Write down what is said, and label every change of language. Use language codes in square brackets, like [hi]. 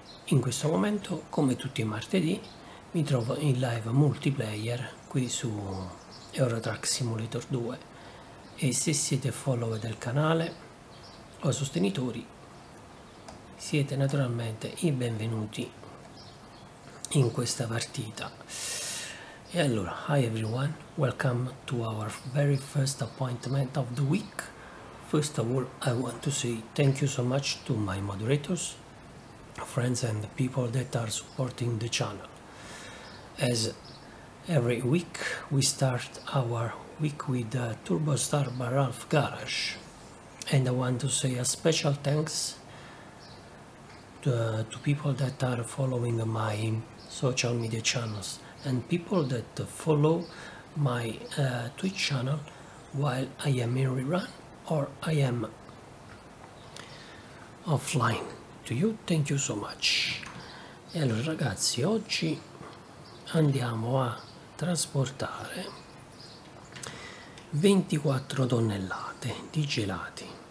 [it] In questo momento, come tutti i martedì, mi trovo in live multiplayer qui su Euro Truck Simulator 2, e se siete follower del canale o sostenitori siete naturalmente i benvenuti in questa partita. E allora, [en] hi everyone, welcome to our very first appointment of the week. First of all, I want to say thank you so much to my moderators, friends and people that are supporting the channel. As every week we start our week with Turbo Star by Ralph Garage, and I want to say a special thanks to people that are following my social media channels and people that follow my Twitch channel while I am in rerun or I am offline. To you, thank you so much. [it] E allora ragazzi, oggi andiamo a trasportare 24 tonnellate di gelati.